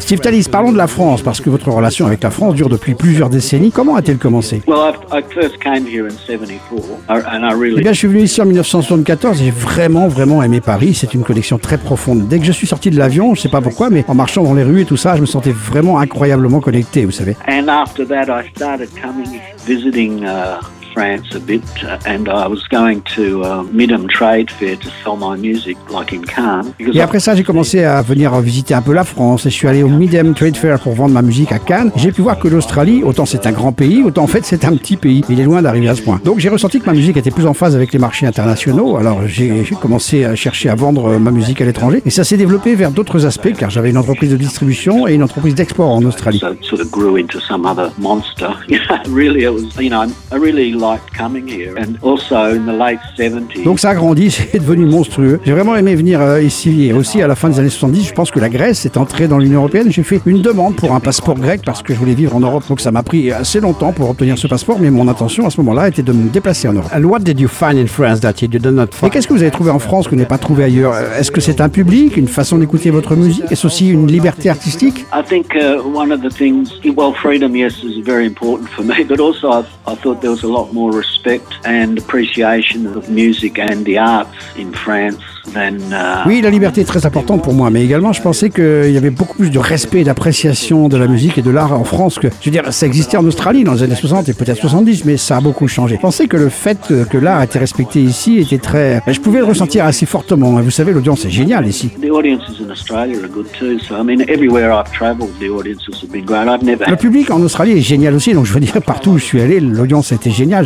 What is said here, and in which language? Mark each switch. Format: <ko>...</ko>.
<fr>Steve Tallis, parlons de la France, parce que votre relation avec la France dure depuis plusieurs décennies. Comment a-t-elle commencé? Eh bien, je suis venu ici en 1974. J'ai vraiment, vraiment aimé Paris. C'est une connexion très profonde. Dès que je suis sorti de l'avion, je ne sais pas pourquoi, mais en marchant dans les rues et tout ça, je me sentais vraiment incroyablement connecté, vous savez.</fr> <en>And after that, I started coming, visiting, France a bit, and I was going to Midem Trade Fair to sell my music, like in Cannes.</en> <fr>Et après ça, j'ai commencé à venir visiter un peu la France et je suis allé au Midem Trade Fair pour vendre ma musique à Cannes. J'ai pu voir que l'Australie, autant c'est un grand pays, autant en fait c'est un petit pays. Il est loin d'arriver à ce point. Donc j'ai ressenti que ma musique était plus en phase avec les marchés internationaux. Alors j'ai commencé à chercher à vendre ma musique à l'étranger et ça s'est développé vers d'autres aspects car j'avais une entreprise de distribution et une entreprise d'export en Australie.</fr> <en>So it sort of grew into some other monster. Really, it was, you know, I really</en> <fr>Donc ça a grandi, c'est devenu monstrueux. J'ai vraiment aimé venir ici et aussi à la fin des années 70. Je pense que la Grèce est entrée dans l'Union Européenne. J'ai fait une demande pour un passeport grec parce que je voulais vivre en Europe. Donc ça m'a pris assez longtemps pour obtenir ce passeport. Mais mon intention à ce moment-là était de me déplacer en Europe.</fr> <en>And what did you find in France that you did not find?</en> <fr>Et qu'est-ce que vous avez trouvé en France que vous n'avez pas trouvé ailleurs? Est-ce que c'est un public, une façon d'écouter votre musique? Est-ce aussi une liberté artistique?</fr> <en>I think one of the things, well, freedom, yes, is very important for me. But also, I thought there was a lot more respect and appreciation of music and the arts in France.</en> <fr>Oui, la liberté est très importante pour moi, mais également, je pensais qu'il y avait beaucoup plus de respect et d'appréciation de la musique et de l'art en France que, je veux dire, ça existait en Australie dans les années 60 et peut-être 70, mais ça a beaucoup changé. Je pensais que le fait que l'art était respecté ici était très... Je pouvais le ressentir assez fortement. Vous savez, l'audience est géniale ici. Le public en Australie est génial aussi, donc je veux dire, partout où je suis allé, l'audience a été géniale.</fr>